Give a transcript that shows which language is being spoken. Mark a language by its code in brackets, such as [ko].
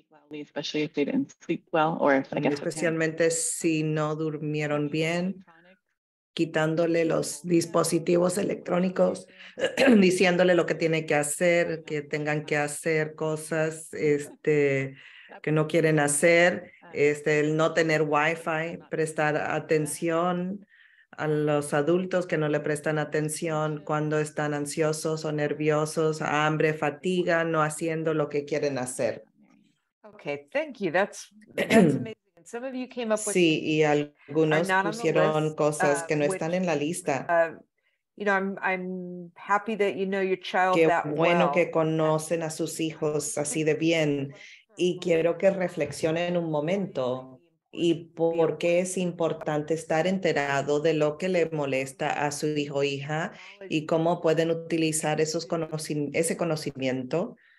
[en] Especially if they didn't sleep well, or if, I guess, [es] especialmente si no durmieron bien. Quitándole los dispositivos electrónicos, diciéndole lo que tiene que hacer, que tengan que hacer cosas que no quieren hacer, el no tener Wi-Fi, prestar atención a los adultos que no le prestan atención cuando están ansiosos o nerviosos, hambre, fatiga, no haciendo lo que quieren hacer. [en] Okay, thank you. That's Some of you came up with [es] sí, y algunos pusieron cosas que no están en la lista. [en] I'm happy that you know your child [es] Qué [en] that [es] bueno Qué bueno que conocen a sus hijos así de bien. Y quiero que reflexionen un momento. ¿Y por qué es importante estar enterado de lo que le molesta a su hijo o hija? ¿Y cómo pueden utilizar ese conocimiento?